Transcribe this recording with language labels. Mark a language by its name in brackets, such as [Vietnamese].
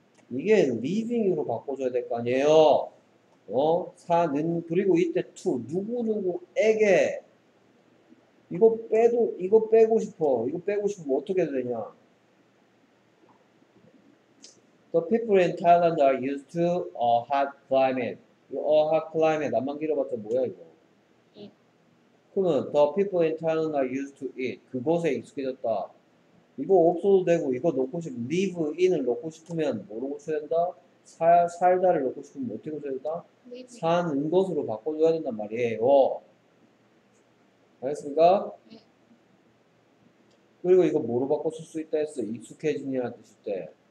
[Korean] 이게 living으로 바꿔줘야 될 거 아니에요? 어? 사는, 그리고 이때 to, 누구누구에게, 이거 빼도, 이거 빼고 싶어. 이거 빼고 싶으면 어떻게 해야 되냐? [English] The people in Thailand are used to a hot climate. A hot climate. [Korean] 나만 길어봤자 뭐야, 이거? 그러면, [English] the people in Thailand are used to it. [Korean] 그곳에 익숙해졌다. 이거 없어도 되고, 이거 놓고 싶으면, live in을 놓고 싶으면, 뭐로 고쳐야 된다? 살다를 놓고 싶으면, 어떻게 고쳐야 된다? 사는 것으로 바꿔줘야 된단 말이에요. 알겠습니까? 그리고 이거 뭐로 바꿔줄 수 있다 했어? 익숙해지냐 뜻일 때.